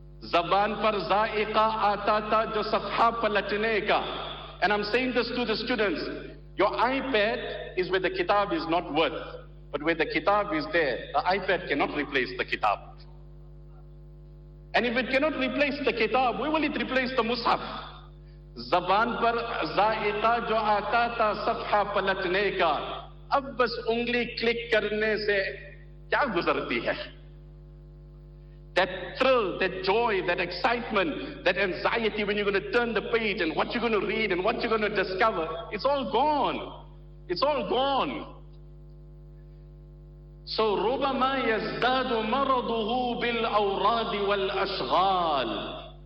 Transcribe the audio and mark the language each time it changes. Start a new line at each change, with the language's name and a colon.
Urdu: જબાન પર જાયકા આતા તા જો સફા પલટને કા
English: And I am saying this to the students your iPad is where the kitab is not worth but where the kitab is there the iPad can not replace the kitab and if it can not replace the kitab we will it replace the mushaf.
Urdu: زبان پر ذائقہ جو آتا تھا صفحہ پلٹنے کا اب بس انگلی کلک کرنے سے کیا گزرتی ہے.
English: That thrill, that joy, that excitement, that anxiety when you're going to turn the page and what you're going to read and what you're going to discover, it's all gone. It's all gone.
Arabic: So ربما يزداد مرضه بالأوراد والأشغال.